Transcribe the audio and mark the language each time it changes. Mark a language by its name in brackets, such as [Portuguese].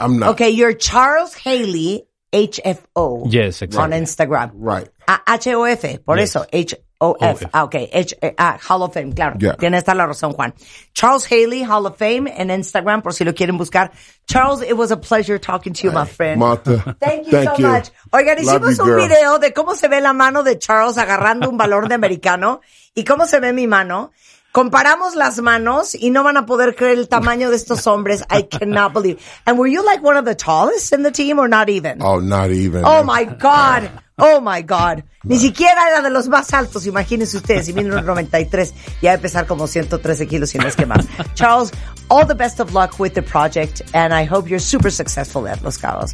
[English] Okay, you're Charles Haley. HFO. Yes, exactly. On Instagram. Right. HOF. [Spanish] Por eso. [English] H H-O-F. Ah, okay. Hall of Fame, claro. Yeah. [Spanish] Tiene esta la razón, Juan. Charles Haley, Hall of Fame, en Instagram, por si lo quieren buscar. [English] Charles, it was a pleasure talking to you, my friend. Martha, thank you so much. [Spanish] Oigan, hicimos un video de cómo se ve la mano de Charles agarrando un balón de americano y cómo se ve mi mano. Comparamos las manos y no van a poder creer el tamaño de estos hombres. [English] I cannot believe. And were you like one of the tallest in the team or not even? Oh, not even. Oh, my God. Oh, my God. [Spanish] Ni siquiera era de los más altos. Imagínense ustedes, si 1993 ya de pesar como 113 kilos y no es que más. [English] Charles, all the best of luck with the project and I hope you're super successful at Los Cabos.